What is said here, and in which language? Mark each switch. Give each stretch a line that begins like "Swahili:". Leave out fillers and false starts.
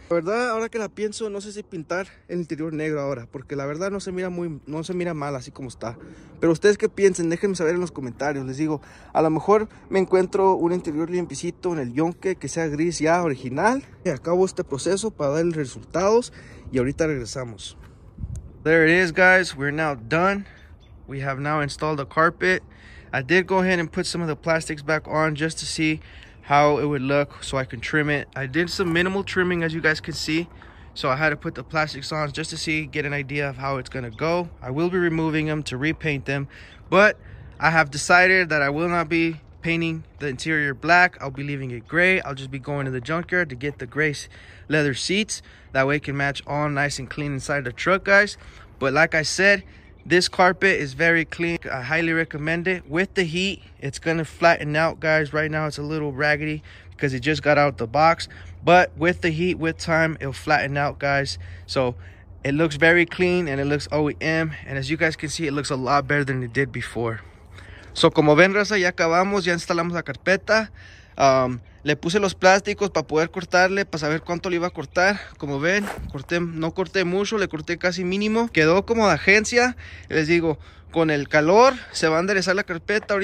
Spanish: La verdad, ahora que la pienso, no sé si pintar el interior negro ahora, porque la verdad no se mira mal así como está. Pero ustedes qué piensen, déjenme saber en los comentarios. Les digo, a lo mejor me encuentro un interior limpicito en el yonke que sea gris ya original. Y acabo este proceso para dar resultados y ahorita regresamos.
English: There it is, guys. We're now done. We have now installed the carpet. I did go ahead and put some of the plastics back on just to see how it would look so I can trim it. I did some minimal trimming, as you guys can see. So I had to put the plastics on just to see, get an idea of how it's gonna go. I will be removing them to repaint them, but I have decided that I will not be painting the interior black. I'll be leaving it gray. I'll just be going to the junkyard to get the gray leather seats. That way it can match all nice and clean inside the truck, guys. But like I said, This carpet is very clean. I highly recommend it. With the heat, it's gonna flatten out, guys. Right now it's a little raggedy because it just got out the box, but with the heat, with time, it'll flatten out, guys. So it looks very clean and it looks OEM, and as you guys can see, it looks a lot better than it did before.
Spanish: So como ven, raza, ya acabamos, ya instalamos la carpeta. Le puse los plásticos para poder cortarle, para saber cuánto le iba a cortar. Como ven, no corté mucho, le corté casi mínimo. Quedó como de agencia. Les digo, con el calor se va a enderezar la carpeta.